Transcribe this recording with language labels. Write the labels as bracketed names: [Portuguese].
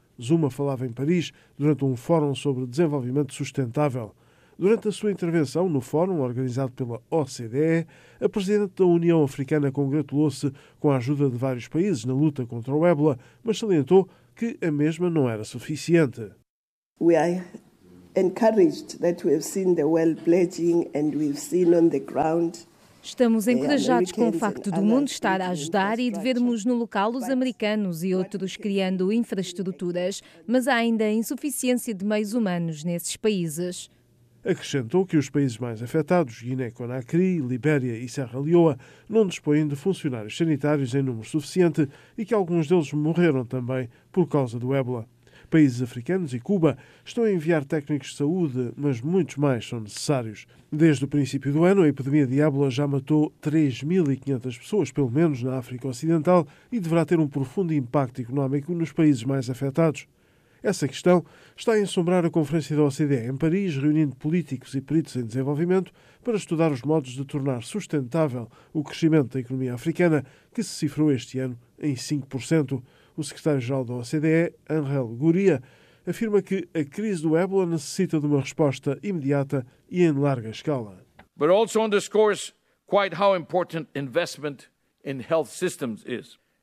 [Portuguese] Zuma falava em Paris durante um fórum sobre desenvolvimento sustentável. Durante a sua intervenção no fórum organizado pela OCDE, a presidente da União Africana congratulou-se com a ajuda de vários países na luta contra o ébola, mas salientou que a mesma não era suficiente. [English] We are encouraged that we have seen the world pledging and we've seen on the ground. [Portuguese] Estamos encorajados com o facto do mundo estar a ajudar e de vermos no local os americanos e outros criando infraestruturas, mas há ainda insuficiência de meios humanos nesses países. Acrescentou que os países mais afetados, Guiné-Conakry, Libéria e Serra Leoa, não dispõem de funcionários sanitários em número suficiente e que alguns deles morreram também por causa do ébola. Países africanos e Cuba estão a enviar técnicos de saúde, mas muitos mais são necessários. Desde o princípio do ano, a epidemia de ébola já matou 3.500 pessoas, pelo menos na África Ocidental, e deverá ter um profundo impacto económico nos países mais afetados. Essa questão está a ensombrar a Conferência da OCDE em Paris, reunindo políticos e peritos em desenvolvimento para estudar os modos de tornar sustentável o crescimento da economia africana, que se cifrou este ano em 5%. O secretário-geral da OCDE, Angel Gurria, afirma que a crise do ébola necessita de uma resposta imediata e em larga escala. [English] But also underscores quite how important investment in health systems is.